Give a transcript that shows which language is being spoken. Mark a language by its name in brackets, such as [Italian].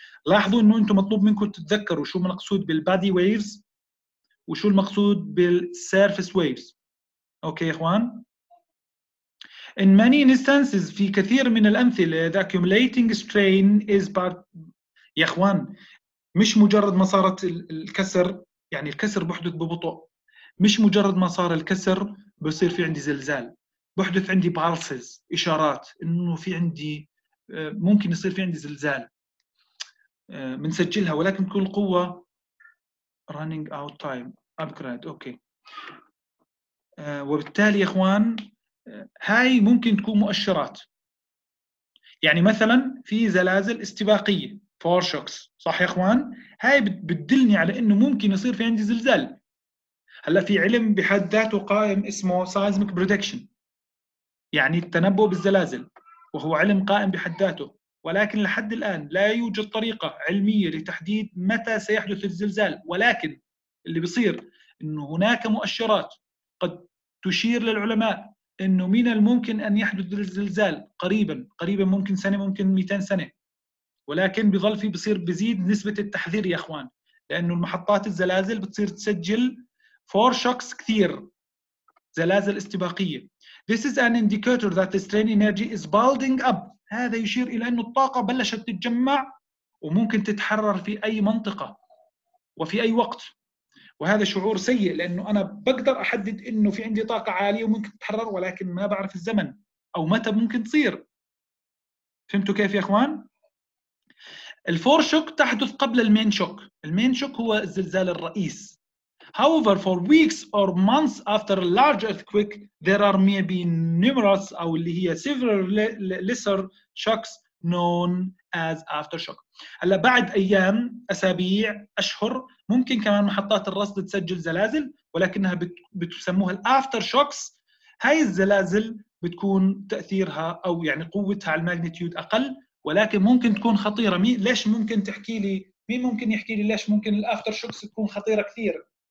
[Arabic] لاحظوا إنه أنتم مطلوب منكم تتذكروا شو المقصود بالbody waves وشو المقصود بالsurface waves. أوكي يا إخوان. [English] In many instances, [Arabic] في كثير من الأمثلة, [English] the accumulating strain is part. [Arabic] يا إخوان, مش مجرد ما صارت الكسر, يعني الكسر بحدث ببطء, مش مجرد ما صار الكسر بصير في عندي زلزال, بحدث عندي بالسز إشارات إنه في عندي ممكن يصير في عندي زلزال. منسجلها ولكن بكل قوة. running out time upgrade okay. وبالتالي يا إخوان هاي ممكن تكون مؤشرات. يعني مثلا في زلازل استباقية foreshocks صح يا إخوان, هاي بتدلني على إنه ممكن يصير في عندي زلزال. هلا في علم بحد ذاته قائم اسمه seismic prediction, يعني التنبؤ بالزلازل, وهو علم قائم بحد ذاته, ولكن لحد الآن لا يوجد طريقة علمية لتحديد متى سيحدث الزلزال. ولكن اللي بيصير إنه هناك مؤشرات قد تشير للعلماء إنه من الممكن أن يحدث الزلزال قريبا, ممكن سنة, ممكن 200 سنة, ولكن بيظل في بصير بزيد نسبة التحذير يا أخوان, لأنه المحطات الزلازل بتصير تسجل foreshocks كثير, زلازل استباقية. [English] This is an indicator that the strain energy is building up. [Arabic] هذا يشير إلى أن الطاقة بلشت تتجمع وممكن تتحرر في أي منطقة وفي أي وقت. وهذا شعور سيء, لأنه أنا بقدر أحدد أنه في عندي طاقة عالية وممكن تتحرر, ولكن ما بعرف الزمن أو متى ممكن تصير. فهمتوا كيف يا أخوان؟ الفور شوك تحدث قبل المين شوك. المين شوك هو الزلزال الرئيس. [English] However, for weeks or months after a large earthquake, there are maybe numerous, [Arabic] أو اللي هي [English] several lesser shocks known as aftershock. [Arabic] هلا بعد أيام, أسابيع, أشهر, ممكن كمان محطات الرصد تسجل زلازل, ولكنها بتسموها aftershocks. هاي الزلازل بتكون تأثيرها أو يعني قوتها على الماجنتيود أقل, ولكن ممكن تكون خطيرة. ليش ممكن تحكي لي؟ مين ممكن يحكي لي ليش ممكن aftershocks تكون خطيرة كثير؟